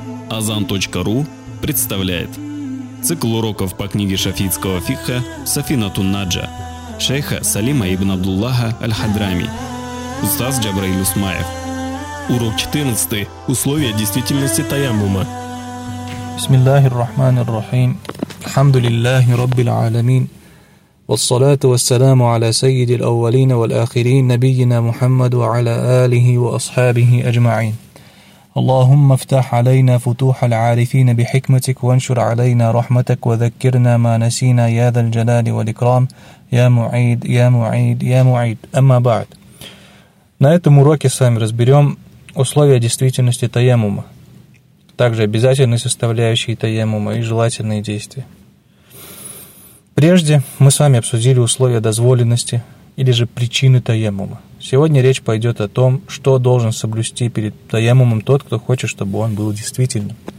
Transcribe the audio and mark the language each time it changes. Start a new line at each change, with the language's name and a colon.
Russian: Azan.ru представляет цикл уроков по книге шафиитского фикха Сафина Тунаджа, шейха Салима ибн Абдуллаха Аль-Хадрами, устаз Джабраил Усмаев. Урок 14. Условия действительности таяммума.
Arabic: Бисмиллахир рахманир рахим. Алхамдулиллахи раббил аалямин. والصلاة والسلام على سيد الأولين والآخرين نبينا محمد وعلى آله وأصحابه أجمعين اللهم افتح علينا فتوح العارفين بحكمتك وانشر علينا رحمتك وذكرنا ما نسينا يا ذا الجلال والإكرام يا معيد يا معيد يا معيد أما بعد.
Russian: На этом уроке с вами разберем условия действительности таяммума, также обязательные составляющие таяммума и желательные действия. Прежде мы с вами обсудили условия дозволенности или же причины таяммума. Сегодня речь пойдет о том, что должен соблюсти перед таяммумом тот, кто хочет, чтобы он был действительным.